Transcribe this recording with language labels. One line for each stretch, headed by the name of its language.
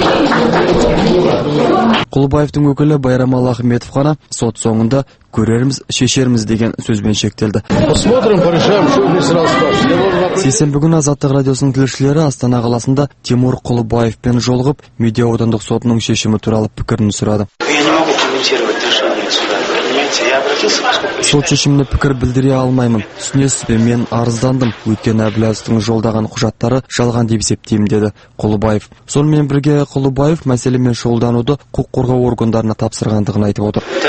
Kazakh: Құлыбаевтың өкілі Байрамалы Ахметов қана сот соңында көрерміз, шешерміз деген сөзбен шектелді. Сейсенбі күні Азаттық радиосының тілшілері Астана қаласында Тимур Құлыбаевпен жолығып, Медеу аудандық сотының шешімі туралы пікірін сұрады.
Russian: Я не могу комментировать решение суда. Понимаете, я
Kazakh: Сот шешіміне пікір білдіре алмаймын. Түсінесіз бе, мен арыздандым. Өйткені Әбіләзовтың жолдаған құжаттары жалған деп есептеймін, деді Құлыбаев. Сонымен бірге Құлыбаев мәселемен шұғылдануды құқық қорғау органдарына тапсырғандығын айтып отыр.